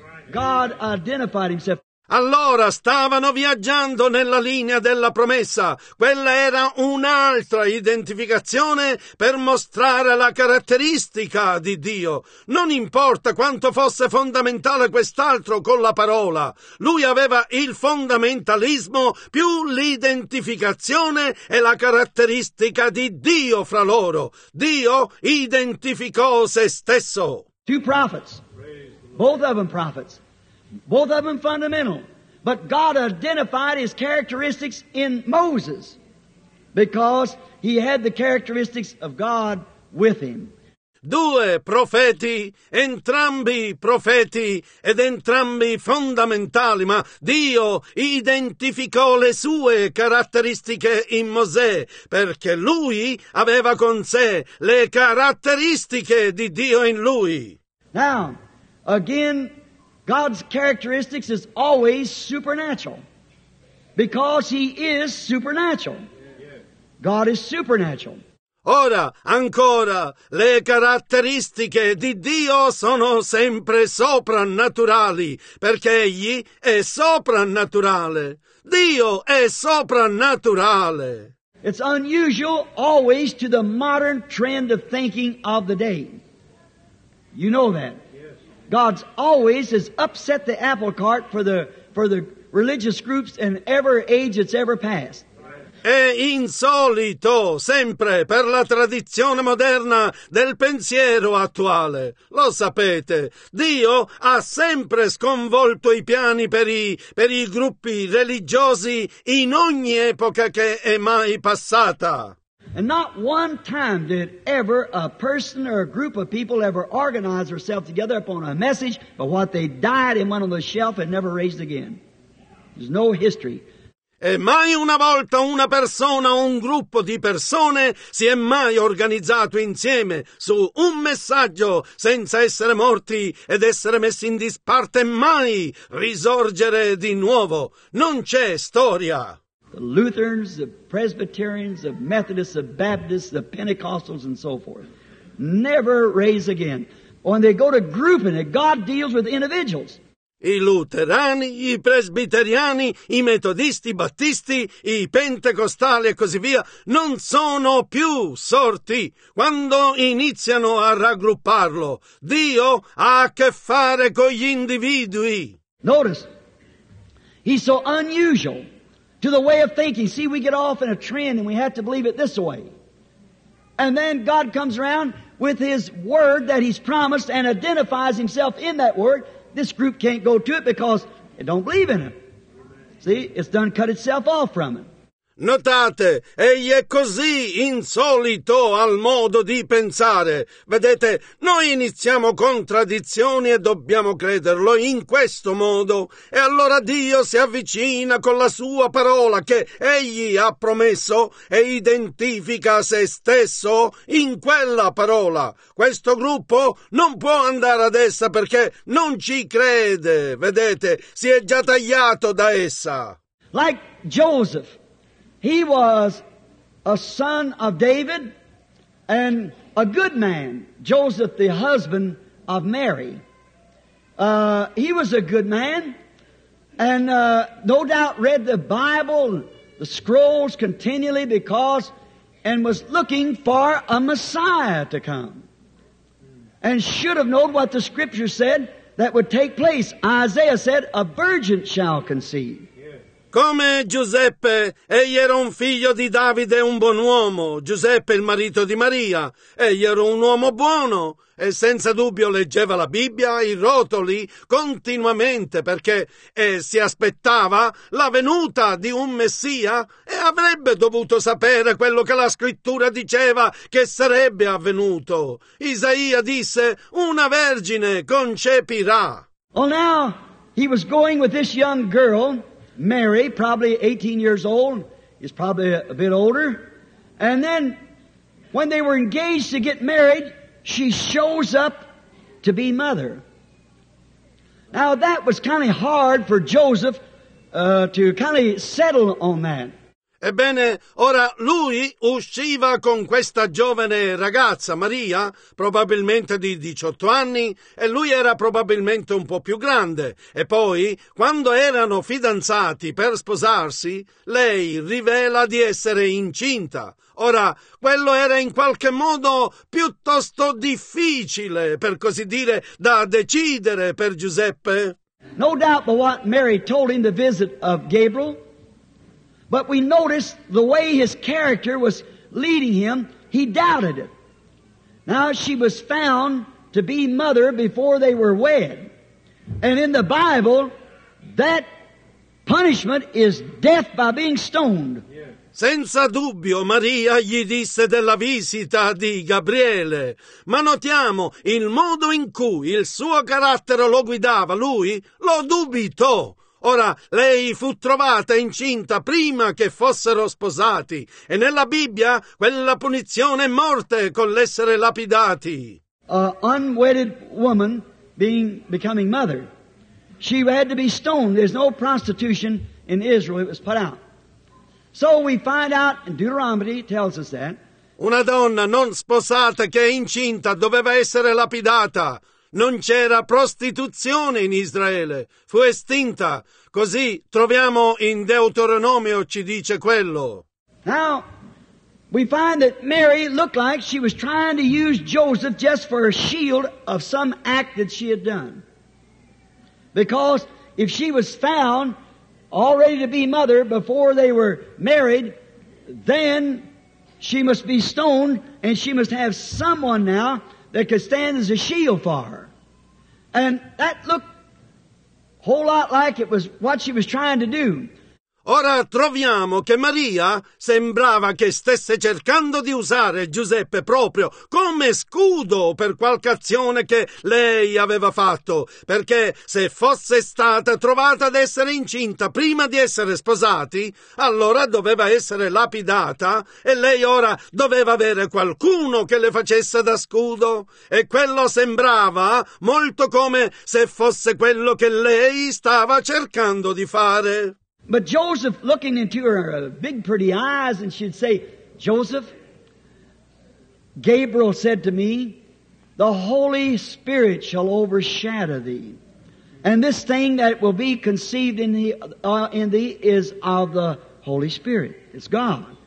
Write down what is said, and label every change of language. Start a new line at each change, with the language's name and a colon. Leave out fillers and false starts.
English: God identified himself.
Italian: Allora stavano viaggiando nella linea della promessa. Quella era un'altra identificazione per mostrare la caratteristica di Dio. Non importa quanto fosse fondamentale quest'altro con la parola. Lui aveva il fondamentalismo più l'identificazione e la caratteristica di Dio fra loro. Dio identificò se stesso.
English: Two prophets. Both of them prophets. Both of them fundamental, but God identified his characteristics in Moses because he had the characteristics of God with him.
Italian: Due profeti, entrambi profeti ed entrambi fondamentali, ma Dio identificò le sue caratteristiche in Mosè perché lui aveva con sé le caratteristiche di Dio in lui.
English: Now, again, God's characteristics is always supernatural, because he is supernatural. God is supernatural.
Italian: Ora, ancora, le caratteristiche di Dio sono sempre soprannaturali, perché Egli è soprannaturale. Dio è soprannaturale.
English: It's unusual always to the modern trend of thinking of the day. You know that. God's always has upset the apple cart for the religious groups in every age that's ever passed.
Italian: È insolito, sempre, per la tradizione moderna del pensiero attuale. Lo sapete, Dio ha sempre sconvolto i piani per i gruppi religiosi in ogni epoca che è mai passata.
English: And not one time did ever a person or a group of people ever organize herself together upon a message, but what they died and went on the shelf and never raised again. There's no history.
Italian: E mai una volta una persona o un gruppo di persone si è mai organizzato insieme su un messaggio senza essere morti ed essere messi in disparte e mai risorgere di nuovo. Non c'è storia.
English: The Lutherans, the Presbyterians, the Methodists, the Baptists, the Pentecostals and so forth never raise again. When they go to grouping it, God deals with individuals.
Italian: I luterani, i presbiteriani, i metodisti, i battisti, i pentecostali e così via non sono più sorti quando iniziano a raggrupparlo. Dio ha a che fare con gli individui.
English: Notice, he's so unusual to the way of thinking. See, we get off in a trend and we have to believe it this way. And then God comes around with his word that he's promised and identifies himself in that word. This group can't go to it because it don't believe in him. See, it's done cut itself off from him.
Italian: Notate, egli è così insolito al modo di pensare. Vedete, noi iniziamo con tradizioni e dobbiamo crederlo in questo modo. E allora Dio si avvicina con la sua parola che egli ha promesso e identifica se stesso in quella parola. Questo gruppo non può andare ad essa perché non ci crede. Vedete, si è già tagliato da essa.
English: Like Joseph. He was a son of David and a good man, Joseph, the husband of Mary. He was a good man and no doubt read the Bible, the scrolls continually because and was looking for a Messiah to come and should have known what the scripture said that would take place. Isaiah said, a virgin shall conceive.
Italian: Come Giuseppe, egli era un figlio di Davide, un buon uomo. Giuseppe, il marito di Maria, egli era un uomo buono e senza dubbio leggeva la Bibbia, i rotoli, continuamente perché si aspettava la venuta di un Messia e avrebbe dovuto sapere quello che la Scrittura diceva che sarebbe avvenuto. Isaia disse, una vergine concepirà.
English: Well, now he was going with this young girl. Mary, probably 18 years old, is probably a bit older. And then when they were engaged to get married, she shows up to be mother. Now that was kind of hard for Joseph to kind of settle on that.
Italian: Ebbene, ora lui usciva con questa giovane ragazza, Maria, probabilmente di 18 anni, e lui era probabilmente un po' più grande. E poi, quando erano fidanzati per sposarsi, lei rivela di essere incinta. Ora, quello era in qualche modo piuttosto difficile, per così dire, da decidere per Giuseppe.
English: No doubt but what Mary told him the visit of Gabriel. But we noticed the way his character was leading him, he doubted it. Now she was found to be mother before they were wed. And in the Bible, that punishment is death by being stoned.
Italian: Senza dubbio Maria gli disse della visita di Gabriele, ma notiamo il modo in cui il suo carattere lo guidava, lui lo dubitò. Ora, lei fu trovata incinta prima che fossero sposati, e nella Bibbia quella punizione è morte con l'essere lapidati.
English: An unwedded woman becoming mother. She had to be stoned. There's no prostitution in Israel. It was put out. So we find out, and Deuteronomy tells us that,
Italian: Una donna non sposata che è incinta doveva essere lapidata. Non c'era prostituzione in Israele, fu estinta. Così troviamo in Deuteronomio, ci dice quello.
English: Now, we find that Mary looked like she was trying to use Joseph just for a shield of some act that she had done. Because if she was found already to be mother before they were married, then she must be stoned and she must have someone now that could stand as a shield for her. And that looked a whole lot like it was what she was trying to do.
Italian: Ora troviamo che Maria sembrava che stesse cercando di usare Giuseppe proprio come scudo per qualche azione che lei aveva fatto, perché se fosse stata trovata ad essere incinta prima di essere sposati, allora doveva essere lapidata e lei ora doveva avere qualcuno che le facesse da scudo. E quello sembrava molto come se fosse quello che lei stava cercando di fare.
English: But Joseph, looking into her big pretty eyes, and she'd say, Joseph, Gabriel said to me, the Holy Spirit shall overshadow thee, and this thing that will be conceived in thee is of the Holy Spirit. It's God.